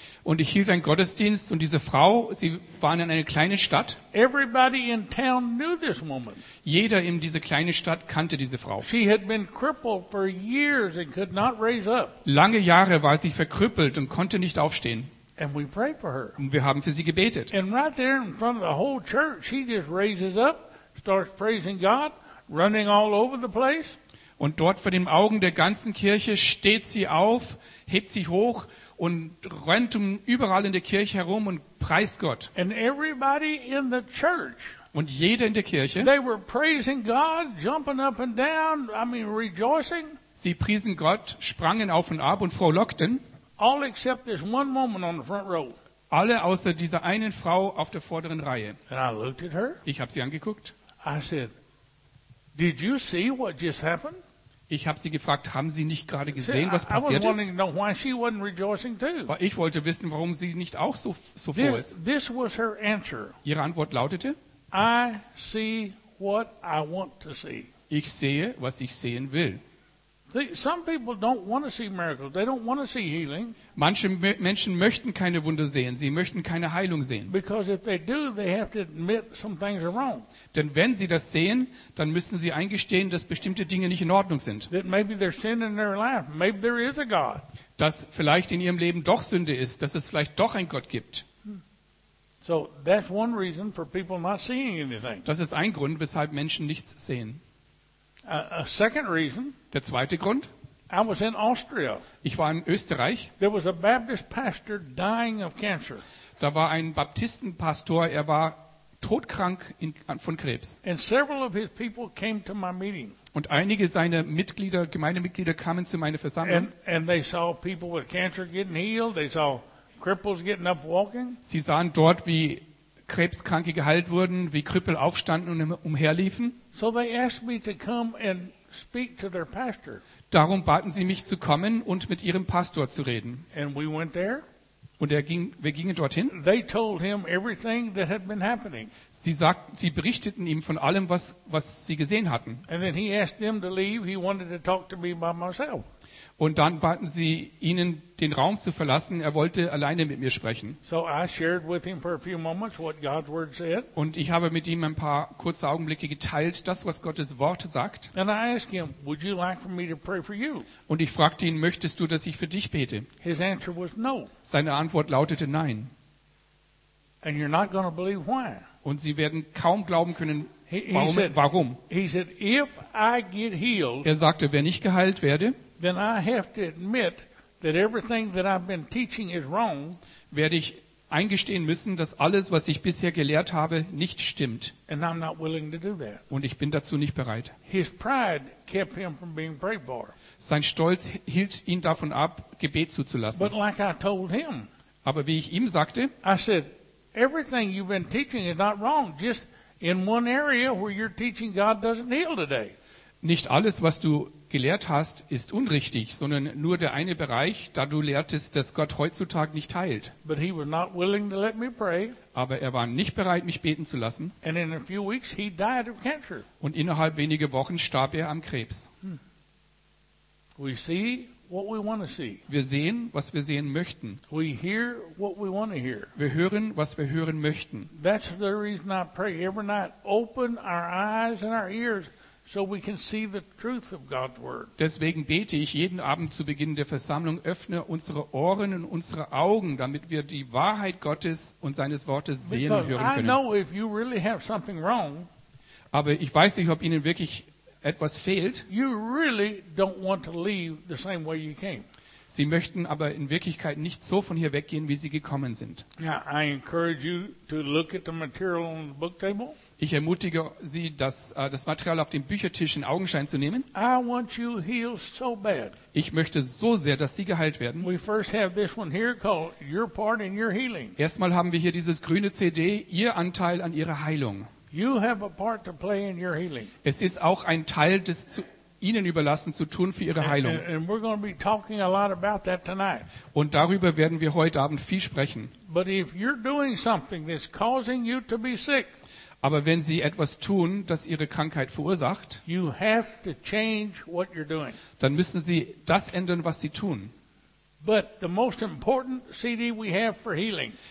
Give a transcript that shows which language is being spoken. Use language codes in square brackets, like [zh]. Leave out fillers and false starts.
[de] Und ich hielt einen Gottesdienst und diese Frau, sie waren in einer kleinen Stadt. [en] Everybody in town knew this woman. [de] Jeder in dieser kleinen Stadt kannte diese Frau. [en] She had been crippled for years and could not raise up. [de] Lange Jahre war sie verkrüppelt und konnte nicht aufstehen. [en] And we prayed for her. [de] Und wir haben für sie gebetet. [en] And right there in front of the whole church, she just raises up, starts praising God, running all over the place. [de] Und dort vor den Augen der ganzen Kirche steht sie auf, hebt sich hoch und rennt überall in der Kirche herum und preist Gott. [en] And everybody in the church, [de] und jeder in der Kirche, [en] they were praising God, jumping up and down, I mean rejoicing. [de] Sie priesen Gott, sprangen auf und ab und frohlockten. [en] All except this one woman on the front row. [de] Alle außer dieser einen Frau auf der vorderen Reihe. [en] And I looked at her. [de] Ich habe sie angeguckt. [en] I said, did you see what just happened? [de] Ich habe sie gefragt, haben Sie nicht gerade gesehen, was passiert ist? Ich wollte wissen, warum sie nicht auch so froh ist. [en] This was her answer. [de] Ihre Antwort lautete, [en] I see what I want to see. [de] Ich sehe, was ich sehen will. [en] Some people don't want to see miracles. They don't want to see healing. [de] Manche Menschen möchten keine Wunder sehen. Sie möchten keine Heilung sehen. [en] Because if they do, they have to admit some things are wrong. [de] Denn wenn sie das sehen, dann müssen sie eingestehen, dass bestimmte Dinge nicht in Ordnung sind. [en] That maybe there's sin in their life. Maybe there is a God. [de] Dass vielleicht in ihrem Leben doch Sünde ist. Dass es vielleicht doch einen Gott gibt. [en] So that's one reason for people not seeing anything. [de] Das ist ein Grund, weshalb Menschen nichts sehen. [en] A second reason. [de] Der zweite Grund. [en] I was in Austria. [de] Ich war in Österreich. [en] There was a Baptist pastor dying of cancer. [de] Da war ein Baptistenpastor. Er war todkrank von Krebs. [en] And several of his people came to my meeting. [de] Und einige seiner Mitglieder, Gemeindemitglieder, kamen zu meiner Versammlung. [en] And they saw people with cancer getting healed. They saw cripples getting up walking. [de] Sie sahen dort, wie Krebskranke geheilt wurden, wie Krüppel aufstanden und umherliefen. [en] So they asked me to come and speak to their pastor. [de] Darum baten sie mich zu kommen und mit ihrem Pastor zu reden. [en] And we went there. [de] Und wir gingen dorthin. [en] They told him everything that had been happening. [de] Sie berichteten ihm von allem, was sie gesehen hatten. [en] And then he asked them to leave. He wanted to talk to me by myself. [de] Und dann baten sie ihnen, den Raum zu verlassen. Er wollte alleine mit mir sprechen. [en] So I shared with him for a few moments what God's word said. [de] Und ich habe mit ihm ein paar kurze Augenblicke geteilt, das, was Gottes Wort sagt. [en] And I asked him, would you like for me to pray for you? [de] Und ich fragte ihn, möchtest du, dass ich für dich bete? [en] His answer was no. [de] Seine Antwort lautete nein. [en] And you're not going to believe why. [de] Und sie werden kaum glauben können, warum. [en] He said, if I get healed, [de] er sagte, wenn ich geheilt werde, [en] then I have to admit that everything that I've been teaching is wrong. [de] Werde ich eingestehen müssen, dass alles, was ich bisher gelehrt habe, nicht stimmt. [en] And I'm not willing to do that. [de] Und ich bin dazu nicht bereit. [en] His pride kept him from being prayed for. [de] Sein Stolz hielt ihn davon ab, Gebet zuzulassen. [en] But like I told him, [de] aber wie ich ihm sagte, [en] I said, everything you've been teaching is not wrong. Just in one area where you're teaching, God doesn't heal today. [de] Nicht alles, was du gelehrt hast, ist unrichtig, sondern nur der eine Bereich, da du lehrtest, dass Gott heutzutage nicht heilt. [en] But he was not willing to let me pray. [de] Aber er war nicht bereit, mich beten zu lassen. [en] And in a few weeks he died of cancer. [de] Und innerhalb weniger Wochen starb er am Krebs. [en] We see what we want to see. [de] Wir sehen, was wir sehen möchten. [en] We hear what we want to hear. [de] Wir hören, was wir hören möchten. [en] That's the reason I pray every night. Open our eyes and our ears. So we can see the truth of God's word. [de] Deswegen bete ich jeden Abend zu Beginn der Versammlung, öffne unsere Ohren und unsere Augen, damit wir die Wahrheit Gottes und seines Wortes sehen und hören können. [en] I know if you really have something wrong, [de] aber ich weiß nicht, ob Ihnen wirklich etwas fehlt. [en] You really don't want to leave the same way you came. [de] Sie möchten aber in Wirklichkeit nicht so von hier weggehen, wie Sie gekommen sind. [en] I encourage you to look at the material on the book table. [de] Ich ermutige Sie, das Material auf dem Büchertisch in Augenschein zu nehmen. [en] I want you healed so bad. [de] Ich möchte so sehr, dass Sie geheilt werden. [en] We first have this one here called Your Part in Your Healing. [de] Erstmal haben wir hier dieses grüne CD, Ihr Anteil an Ihrer Heilung. [en] You have a part to play in your healing. [de] Es ist auch ein Teil, das zu Ihnen überlassen zu tun für Ihre Heilung. [en] And we're going to be talking a lot about that tonight. [de] Und darüber werden wir heute Abend viel sprechen. [en] But if you're doing something that's causing you to be sick, [de] Aber wenn sie etwas tun, das ihre Krankheit verursacht, [en] you have to change what you're doing. [de] Dann müssen sie das ändern, was sie tun. [en] But the most important CD we have for healing,